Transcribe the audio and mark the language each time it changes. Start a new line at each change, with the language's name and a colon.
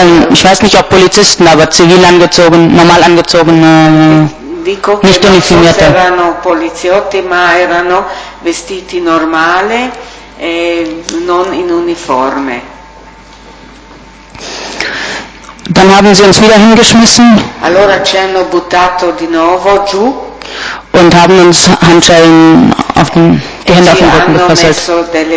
German: Ich weiß nicht, ob Polizisten, aber zivil angezogen, normal angezogen,
Italian: dico
German: nicht uniformierte.
Italian: Non erano poliziotti, ma erano vestiti normale, non in uniforme.
German: Dann haben sie uns wieder hingeschmissen.
Italian: Allora ci hanno buttato di nuovo giù.
German: Und haben uns Handschellen auf den die Hände auf den Rücken gefesselt.